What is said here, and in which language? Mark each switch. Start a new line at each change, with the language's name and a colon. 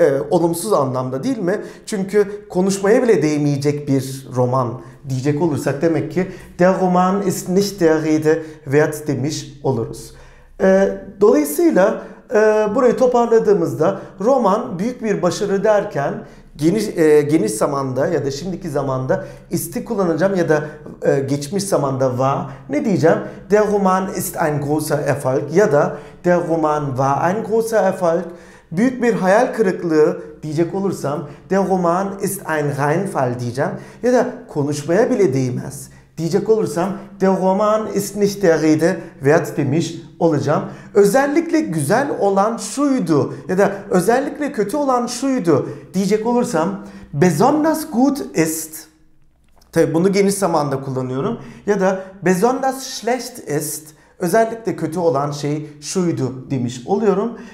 Turkish: Olumsuz anlamda değil mi? Çünkü konuşmaya bile değmeyecek bir roman diyecek olursak demek ki
German: der Roman ist nicht der Rede wert
Turkish: demiş oluruz. Dolayısıyla burayı toparladığımızda roman büyük bir başarı derken geniş zamanda ya da şimdiki zamanda ist'i kullanacağım ya da geçmiş zamanda war ne diyeceğim?
German: Der Roman ist ein großer Erfolg
Turkish: ya da
German: der Roman war ein großer Erfolg.
Turkish: Büyük bir hayal kırıklığı diyecek olursam
German: der Roman ist ein Reinfall
Turkish: diyeceğim ya da konuşmaya bile değmez diyecek olursam
German: der Roman ist nicht der Rede wert
Turkish: demiş olacağım. Özellikle güzel olan şuydu ya da özellikle kötü olan şuydu diyecek olursam
German: besonders gut ist,
Turkish: tabii bunu geniş zamanda kullanıyorum, ya da
German: besonders schlecht ist,
Turkish: özellikle kötü olan şey şuydu demiş oluyorum.